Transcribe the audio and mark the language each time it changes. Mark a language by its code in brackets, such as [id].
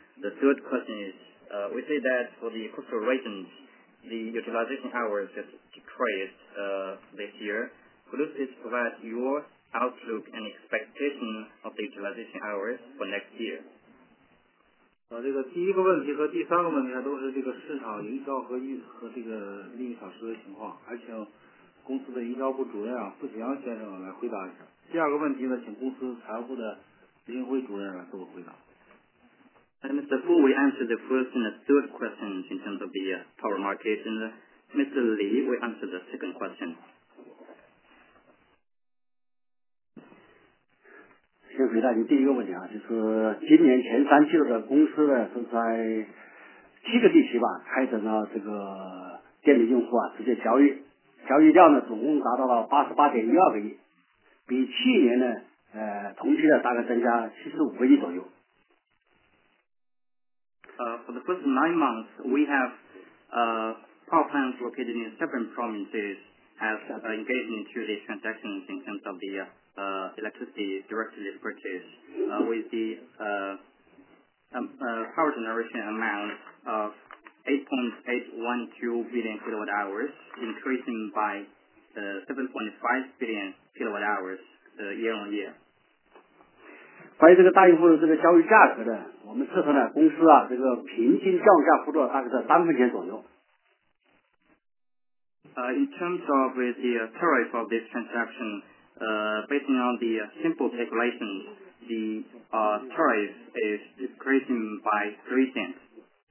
[en] The third question is, we say that for the coastal regions,the utilization hours has decreased this year. Could you please provide your outlook and expectation of the utilization hours for next year? [zh] 这个第一个问题和第三个问题都是这个市场营销和这个利益小时的情况，还请公司的营销部主任傅启阳先生来回答一下。第二个问题呢，请公司财务部的林辉主任来做个回答。 [en] And Mr. Fu, we answer the first and the third questions in terms of the power market. And Mr. Li, we answer the second question. [zh] 先回答你第一个问题啊，就是今年前三季度的公司呢是在七个地区吧开展了这个电力用户直接交易，交易量呢总共达到了88.12亿，比去年呢同期的大概增加75亿左右。 [en] For the first 9 months, we have power plants located in 7 provinces have engaged into the transactions in terms of the electricity directly purchase with the power generation amount of 8.812 billion kilowatt hours, increasing by 7.5 billion kilowatt hours year on year. [zh] 关于这个大用户的这个交易价格呢，我们测算呢，公司啊这个平均降价幅度大概在3分钱左右。 [en] In terms of the tariff of this transaction, based on the simple calculation, the tariff is decreasing by 3 cents.